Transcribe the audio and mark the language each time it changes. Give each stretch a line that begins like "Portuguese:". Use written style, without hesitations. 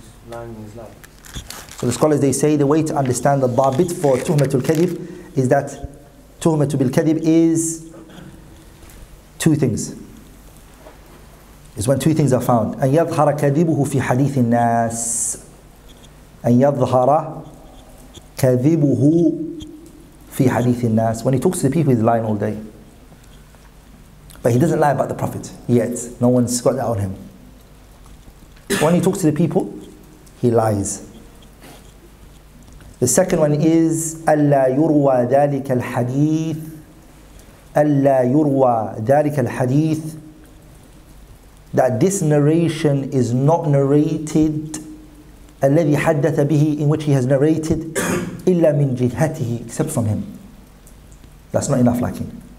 English: So the scholars, they say the way to understand the dhabit for tuhmatul kadhib is that tuhmatul bil kadhib is two things. It's when two things are found.
Arabic: أن يظهر كذبه في حديث الناس. أن يظهر كذبه في حديث الناس.
English: When he talks to the people, he's lying all day. But he doesn't lie about the Prophet yet. No one's got that on him. When he talks to the people, he lies. The second one is
Arabic: أَلَّا يُرْوَى ذَلِكَ الْحَدِيثِ
English: أَلَّا يُرْوَى ذَلِكَ الْحَدِيثِ, that this narration is not narrated
Arabic: الَّذِي حَدَّثَ بِهِ,
English: in which he has narrated
Arabic: إِلَّا مِنْ جِهَتِهِ,
English: except from him. That's not enough lacking.